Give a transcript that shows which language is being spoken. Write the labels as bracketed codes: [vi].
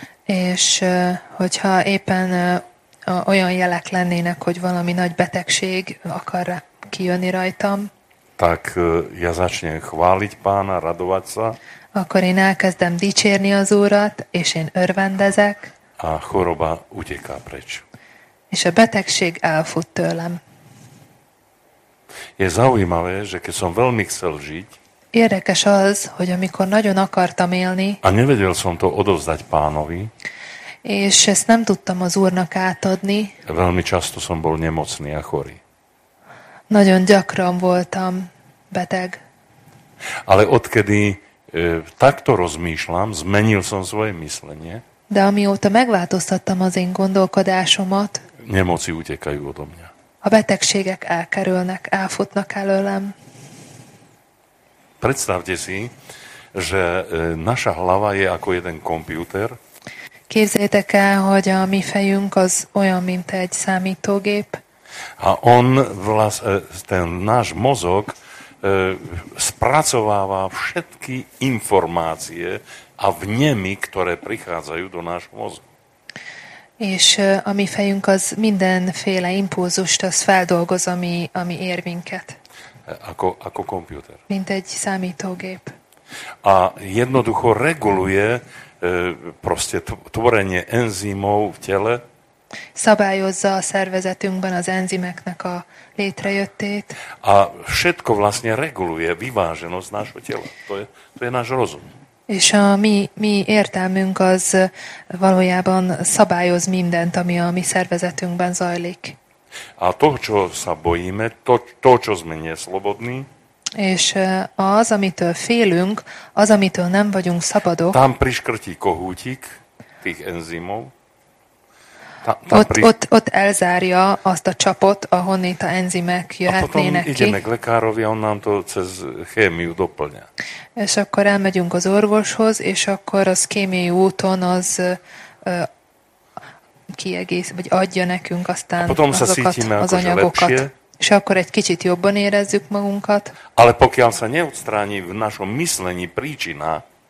[hu] és hogyha éppen olyan jelek lennének, hogy valami nagy betegség akar kijönni rajtam, [sk] tak ja začnem chváliť Pána, radovať sa. [hu] Akkor én elkezdem dicsérni az Úrat, és én örvendezek. [sk] A choroba uteká preč. [hu] És a betegség elfut tőlem. [sk] Je zaujímavé, že keď som veľmi chcel žiť, [hu] érdekes az, hogy amikor nagyon akartam élni, [sk] a nevedel som to odovzdať Pánovi, [hu] és ezt nem tudtam az Úrnak átadni, [sk] veľmi často som bol nemocný a chorý. [hu] Nagyon gyakran voltam beteg. [sk] Ale odkedy takto rozmýšľam, zmenil som svoje myslenie. [hu] De amióta megváltoztattam az én gondolkodásomat, [sk] nemoci utekajú odo mňa. [hu] A betegségek elkerülnek, elfutnak előlem. [sk] Predstavte si, že naša hlava je ako jeden komputer. [hu] Képzeljétek el, hogy a mi fejünk az olyan, mint egy számítógép. [sk] A on ten náš mozog spracováva všetky informácie a vnemy, ktoré prichádzajú do nášho mozgu. [hu] És a mi fejünk az mindenféle impulzust, az feldolgoz, ami ér minket. [sk] Ako komputer. [hu] Mint egy számítógép. [sk] A jednoducho reguluje proste tvorenie enzymov v tele. [hu] Szabályozza a szervezetünkben az enzimeknek a létrejöttét. [sk] A všetko vlastne reguluje vyváženosť nášho tela. To je náš rozum. [hu] És a mi értelmünk az valójában szabályoz mindent, ami a mi szervezetünkben zajlik. [sk] A to, čo sa bojíme, to, čo sme neslobodní. [hu] És az, amitől félünk, az, amitől nem vagyunk szabadok. [sk] Tam priškrtí kohútik tých enzymov. [hu] Ott elzárja azt a csapot, ahonnét a enzimek jöhetnének ki. [sk] A potom ideme k lekárovi, on nám to cez chémiu doplňa. [hu] És akkor elmegyünk az orvoshoz, és akkor az kémiai úton az kiegész, vagy adja nekünk aztán azokat az anyagokat. És akkor egy kicsit jobban érezzük magunkat. [sk] Ale pokiaľ sa neodstráni v našom myslení príčina,